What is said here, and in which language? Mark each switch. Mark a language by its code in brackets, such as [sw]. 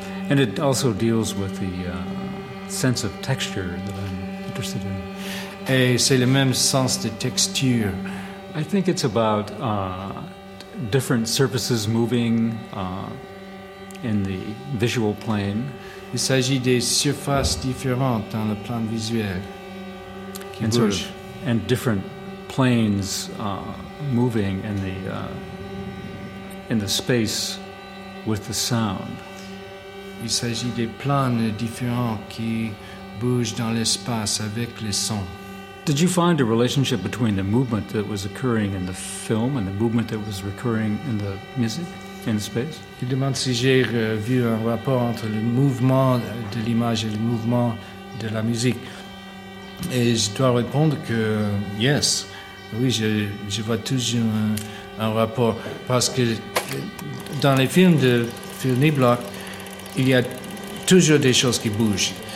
[en] And it also deals with the sense of texture that I'm interested in. [fr] Et c'est le même sens de texture. [en] I think it's about different surfaces moving in the visual plane. [fr] Il s'agit des surfaces différentes dans le plan visuel qui bougent. [en] Sort of, and different planes moving in the space with the sound. [fr] Il s'agit des plans différents qui bougent dans l'espace avec le son. [en] Did you find a relationship between the movement that was occurring in the film and the movement that was recurring in the music, in the space? [fr] Il demande si j'ai vu un rapport entre le mouvement de l'image et le mouvement de la musique. Et je dois répondre que yes. Oui, je vois toujours un rapport. Parce que dans les films de Phil Niblock, il y a toujours des choses qui bougent.